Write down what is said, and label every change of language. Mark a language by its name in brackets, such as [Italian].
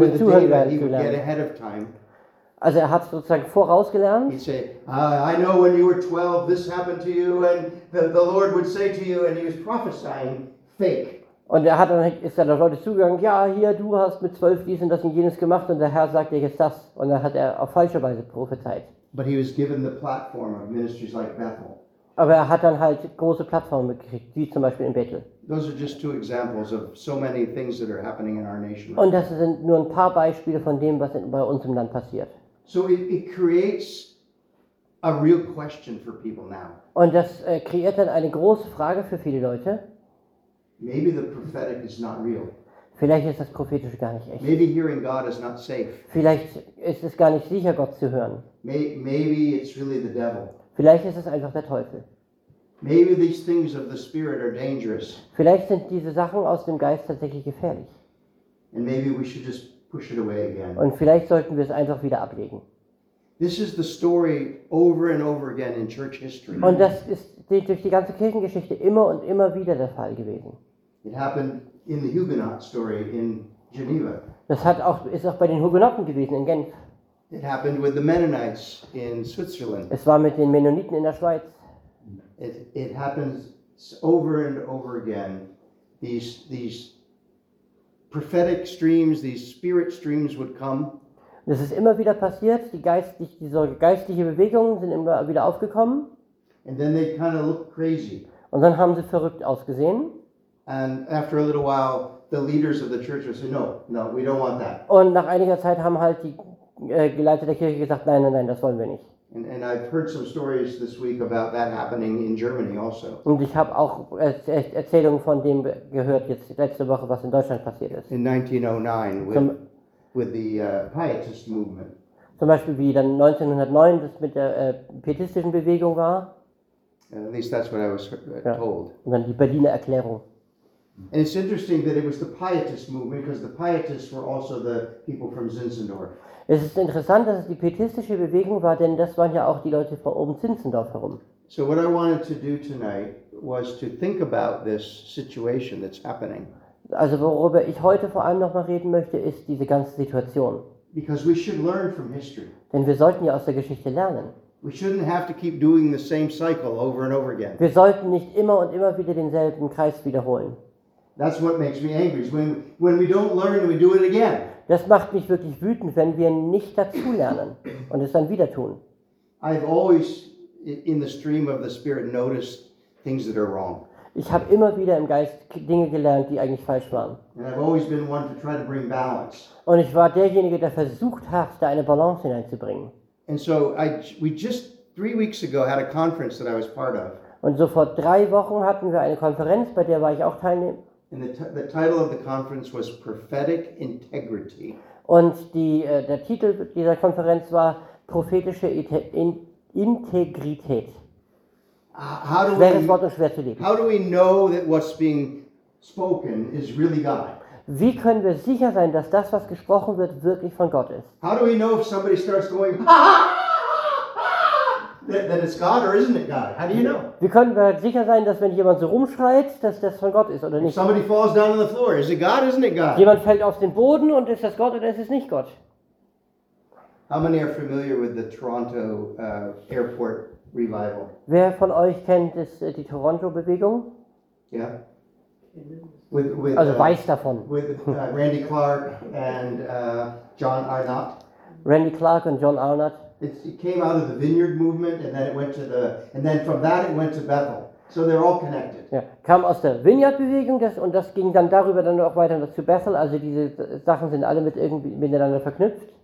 [English] with the data he would get ahead of time. [German] Also hat sozusagen vorausgelernt. [English] He'd say, I know when you were 12, this happened to you, and the Lord would say to you, and he was prophesying fake. [German] Und ist dann auf Leute zugegangen, ja, hier, du hast mit 12 dies und das und jenes gemacht, und der Herr sagt dir jetzt das. Und dann hat auf falsche Weise prophezeit. [English] But he was given the platform of ministries like Bethel. [German] Aber dann große Plattformen gekriegt, wie zum Beispiel in Bethel. [English] Those are just two examples of so many things that are happening in our nation. [German] Und das sind nur ein paar Beispiele von dem, was bei uns im Land passiert. [English] So it creates a real question for people now. [German] Und das kreiert dann eine große Frage für viele Leute. [English] Maybe the prophetic is not real. [German] Vielleicht ist das Prophetische gar nicht echt. [English] Maybe hearing God is not safe. [German] Vielleicht ist es gar nicht sicher, Gott zu hören. [English] Maybe it's really the devil. [German] Vielleicht ist es einfach der Teufel. [English] Maybe these things of the spirit are dangerous. [German] Vielleicht sind diese Sachen aus dem Geist tatsächlich gefährlich. [English] And maybe we should just push it away again. [German] Und vielleicht sollten wir es einfach wieder ablegen. [English] This is the story over and over again in church history. [German] Und das ist durch die ganze Kirchengeschichte immer und immer wieder der Fall gewesen. [English] It happened in the Huguenot story in Geneva. [German] Das ist auch bei den Hugenotten gewesen in Genf. [English] It happened with the Mennonites in Switzerland. [German] Es war mit den Mennoniten in der Schweiz. [English] It happens over and over again. These prophetic streams, these spirit streams would come. [German] Das ist immer wieder passiert. Diese geistliche Bewegungen sind immer wieder aufgekommen. [English] And then they kind of look crazy. [German] Und dann haben sie verrückt ausgesehen. [English] And after a little while, the leaders of the church would say, "No, we don't want that." [German] Und nach einiger Zeit haben halt die Geleiter der Kirche gesagt, nein, das wollen wir nicht. [English] And I've heard some stories this week about that happening in Germany also. [German] Und ich habe auch Erzählungen von dem gehört jetzt letzte Woche, was in Deutschland passiert ist. [English] In 1909 with the Pietist movement. [German] Zum Beispiel wie dann 1909 das mit der pietistischen Bewegung war. [English] At least that's what I was told. [German] Und dann die Berliner Erklärung. [English] And it's interesting that it was the Pietist movement because the Pietists were also the people from Zinzendorf. [German] Es ist interessant, dass es die pietistische Bewegung war, denn das waren ja auch die Leute von oben Zinzendorf herum. [English] So what I wanted to do tonight was to think about this situation that's happening. [German] Also worüber ich heute vor allem nochmal reden möchte, ist diese ganze Situation. [English] Because we should learn from history. [German] Denn wir sollten ja aus der Geschichte lernen. [English] We shouldn't have to keep doing the same cycle over and over again. [German] Wir sollten nicht immer und immer wieder denselben Kreis wiederholen. [English] That's what makes me angry. When we don't learn, we do it again. [German] Das macht mich wirklich wütend, wenn wir nicht dazu lernen und es dann wieder tun. [English] I've always in the stream of the spirit noticed things that are wrong. [German] Ich habe immer wieder im Geist Dinge gelernt, die eigentlich falsch waren. [English] And I've always been one to try to bring balance. [German] Und ich war derjenige, der versucht hat, da eine Balance hineinzubringen. [English] And so we just 3 weeks ago had a conference that I was part of. [German] Und so vor 3 Wochen hatten wir eine Konferenz, bei der war ich auch teilnehmen. [English] And the title of the conference was Prophetic Integrity. [German] Und der Titel dieser Konferenz war prophetische Integrität. [English] How do we know that what's being spoken is really God? [German] Wie können wir sicher sein, dass das, was gesprochen wird, wirklich von Gott ist? [English] How do we know if somebody starts going, that it's God or isn't it God? How do you know? [German] Wir können sicher sein, dass wenn jemand so rumschreit, dass das von Gott ist oder nicht. [English] If somebody falls down on the floor, is it God or isn't it God? [German] Jemand fällt auf den Boden und ist das Gott oder ist es nicht Gott? [English] How many are familiar with the Toronto airport revival? [German] Wer von euch kennt das, die Toronto Bewegung? [English] Ja. Yeah. [German] Also weiß davon. [English] With Randy Clark and John Arnott. [German] Randy Clark und John Arnott. [English] It came out of the Vineyard movement and then it went to the and then from that it went to Bethel. So they're all connected. [German] Ja, kam aus der Vineyard-Bewegung und das ging dann darüber dann auch weiter zu Bethel. Also diese Sachen sind alle mit irgendwie miteinander verknüpft.